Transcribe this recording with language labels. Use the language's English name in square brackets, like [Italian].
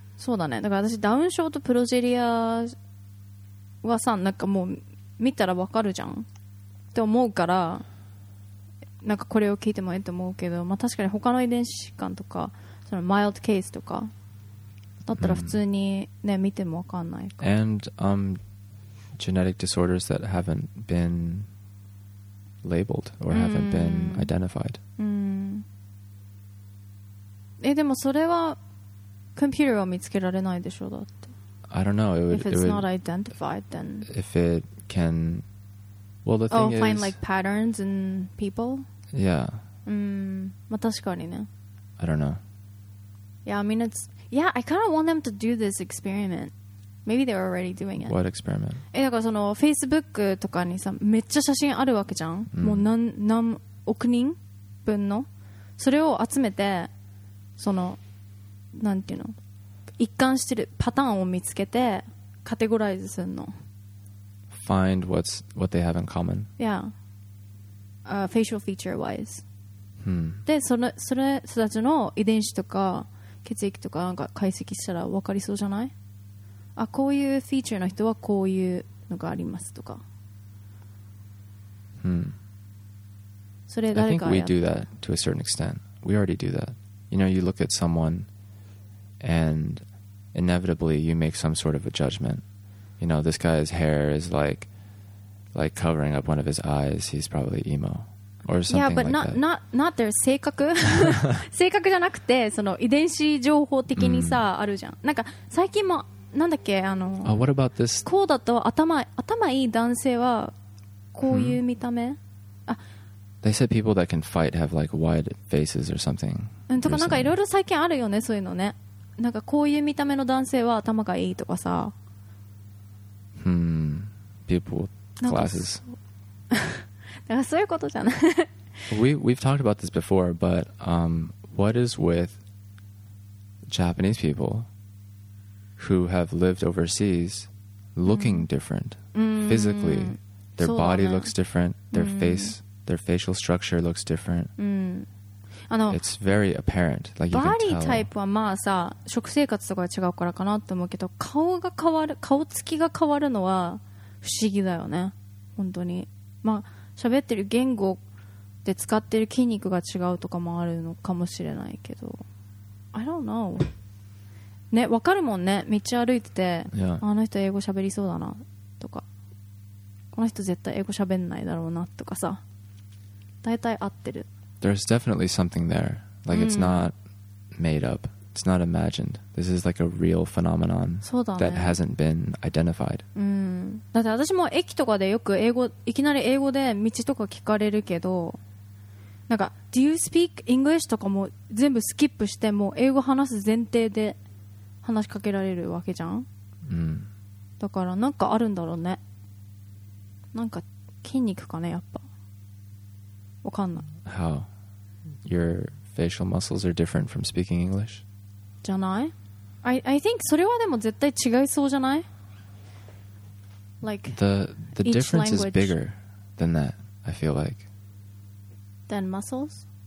[Japanese] そうだね。 だから私ダウン症とプロジェリアはさ、 なんかもう見たらわかるじゃん。って思うから、 なんかこれを聞いてもいいと思うけど、 まあ確かに他の遺伝子疾患とか、 そのマイルドケースとか、 だったら普通にね、 見てもわかんないか。 [English] And genetic disorders that haven't been labeled or haven't been identified. [Japanese] でもそれはコンピューターは見つけられないでしょう、だって。 [English] I don't know. If it's not identified, then... If it can... Well, the thing is... Oh, find like patterns in people? Yeah. [Japanese] まあ確かにね。 [English] I don't know. Yeah, I mean it's... Yeah, I kind of want them to do this experiment. Maybe they're already doing it. What experiment? [Japanese] だからその Facebook とかにさ、めっちゃ写真あるわけじゃん。もう何億人分の。それを集めて、そのなんていうの、一貫してるパターンを見つけてカテゴライズするの。 [English] Find what's what they have in common. Yeah. Facial feature wise. [Japanese] で、それ人たちの遺伝子とか血液とかなんか解析したら分かりそうじゃない？あ、こういうフィーチャーの人はこういうのがありますとか。それ誰かやった？ [English] I think we do that to a certain extent. We already do that. You know, you look at someone and inevitably you make some sort of a judgment. You know, this guy's hair is like covering up one of his eyes. He's probably emo or something like that. Yeah, but not their 性格。 [Japanese] 性格じゃなくて、その遺伝子情報的にさ、あるじゃん。なんか最近も、なんだっけ、 [English] What about this? [Japanese] こうだと頭いい男性はこういう見た目。 [English] They said people that can fight have like wide faces or something. [Japanese] とかなんかいろいろ最近あるよね、そういうのね。なんかこういう見た目の男性は頭がいいとかさ。 [English] People with glasses. [Japanese] だからそういうことじゃない。 [English] We've talked about this before, but what is with Japanese people who have lived overseas looking different physically? Their body looks different. Their face, their facial structure looks different. It's very apparent. Like you can tell. [Japanese] バディタイプはまあさ、食生活とかが違うからかなと思うけど、顔が変わる、顔つきが変わるのは不思議だよね。本当に。まあ喋ってる言語で使ってる筋肉が違うとかもあるのかもしれないけど、 [English] I don't know. [Japanese] ね、わかるもんね。道歩いてて、 [English] yeah. [Japanese] あの人英語喋りそうだなとか、この人絶対英語喋んないだろうなとかさ、大体合ってる。 [English] There's definitely something there. Like, it's not made up. It's not imagined. This is like a real phenomenon that hasn't been identified. [Japanese] だって私も駅とかでよく英語、いきなり英語で道とか聞かれるけど、なんか、 [English] Do you speak English? [Japanese] とかも全部スキップして、もう英語話す前提で話しかけられるわけじゃん。だからなんかあるんだろうね。なんか筋肉かね、やっぱ。わかんない。 [English] How? Your facial muscles are different from speaking English? [Japanese] じゃない? [English] I think [Japanese] それはでも絶対違いそうじゃない? [English] Like, The difference is bigger than that, I feel like. Than muscles?